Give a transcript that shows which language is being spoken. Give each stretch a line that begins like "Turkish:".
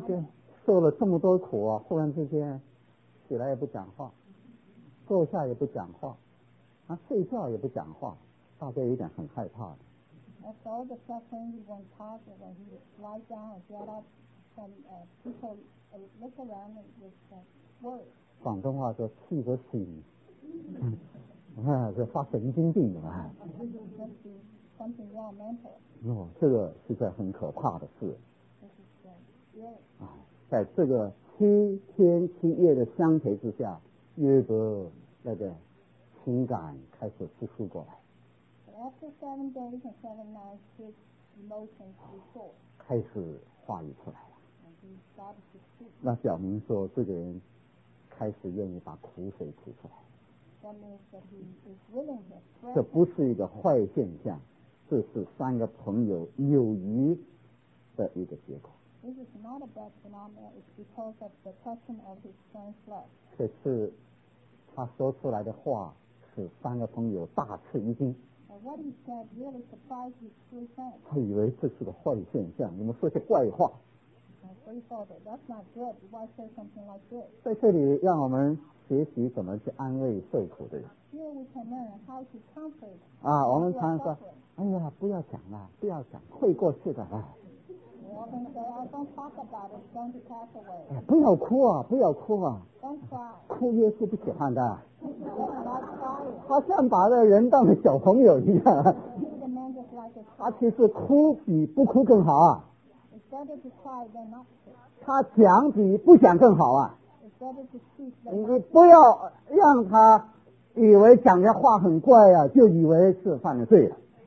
Chinese: 是受了这么多苦啊，忽然之间起来也不讲话。坐下也不讲话。啊，睡觉也不讲话，大家有点很害怕的。
English: After all the suffering, he went past it, and he lied down and got up, and people looked around and was worried.
Chinese: 广东话说气得醒，啊，这发神经病了。
English: Something wrong mental.
Chinese: 哦，这个是在很可怕的事。
English: This is scary.
Chinese: 啊，在这个七天七夜的相陪之下，约伯那个情感开始复苏过来。
English: After 7 days and 7 nights, his emotions restored.
Chinese: 开始话语出来了。
English: And he started to speak.
Chinese: 那表明说，这个人开始愿意把苦水吐出来。
English: That means that he is willing to express.
Chinese: 这不是一个坏现象，这是三个朋友友谊的一个结果。
English: This is not a bad phenomenon. It's because of the question of his friend's love.
Chinese: 可是他说出来的话使三个朋友大吃一惊。
English: What he said really surprised his three friends.
Chinese: 他以为这是个坏现象，你们说些怪话。
English: So he thought that that's not good. Why say something like this?
Chinese: 在这里让我们学习怎么去安慰受苦的人。
English: Here we can learn how to comfort.
Chinese: 啊，我们常说，哎呀，不要讲了，不要讲，会过去的啦。
English: We often say, "I don't talk about it. Don't pass away."
Chinese: 哎，不要哭啊，不要哭啊。
English: Don't cry.
Chinese: 哭耶稣不喜欢的。
English: Not crying.
Chinese: 他像把那人当成小朋友一样。
English: He treated the man just like a child.
Chinese: 他其实哭比不哭更好啊。
English: It's better to cry than not to.
Chinese: 他讲比不讲更好啊。
English: It's better to speak than not to.
Chinese: 你不要让他以为讲的话很怪啊，就以为是犯了罪了。